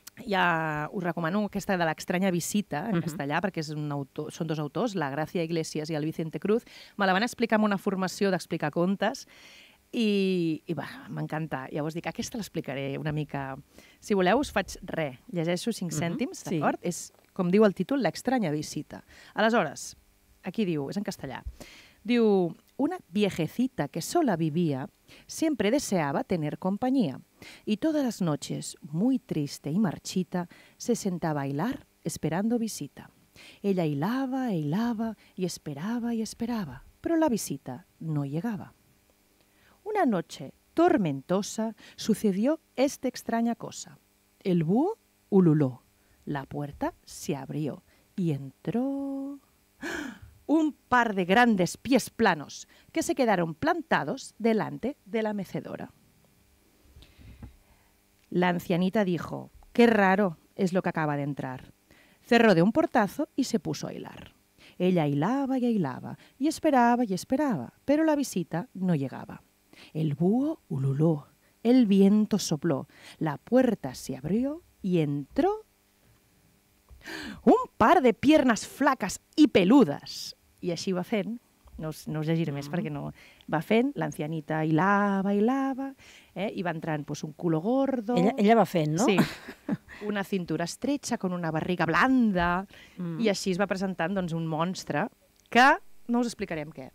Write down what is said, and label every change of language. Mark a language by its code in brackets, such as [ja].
[ca] Ja us recomano aquesta de l'Estranya Visita, en castellà, perquè és un autor, són dos autors, la Gràcia Iglesias i el Vicente Cruz, me la van explicar amb una formació d'explicar contes i va, m'encanta. Llavors dic, aquesta l'explicaré una mica... Si voleu, us faig res. Llegeixo 5 cèntims, d'acord? Sí. És... Com diu el títol, l'estranya visita. Aleshores, aquí diu, és en castellà, diu, [es] una viejecita que sola vivía siempre deseaba tener compañía y todas las noches, muy triste y marchita, se sentaba a hilar esperando visita. Ella hilaba e hilaba y esperaba, pero la visita no llegaba. Una noche tormentosa sucedió esta extraña cosa. El búho ululó. La puerta se abrió y entró un par de grandes pies planos que se quedaron plantados delante de la mecedora. La ancianita dijo, qué raro es lo que acaba de entrar. Cerró de un portazo y se puso a hilar. Ella hilaba y hilaba y esperaba, pero la visita no llegaba. El búho ululó, el viento sopló, la puerta se abrió y entró Un par de piernas flacas y peludas. [ca] I així va fent, no us llegiré més perquè no... Va fent, l'ancianita hilava, hilava, i va entrant pues, [es] un culo gordo... [ca] Ella va fent, no? Sí, una cintura estretxa, [es] con una barriga blanda, [ca] i així es va presentant doncs, un monstre que... No us explicarem què.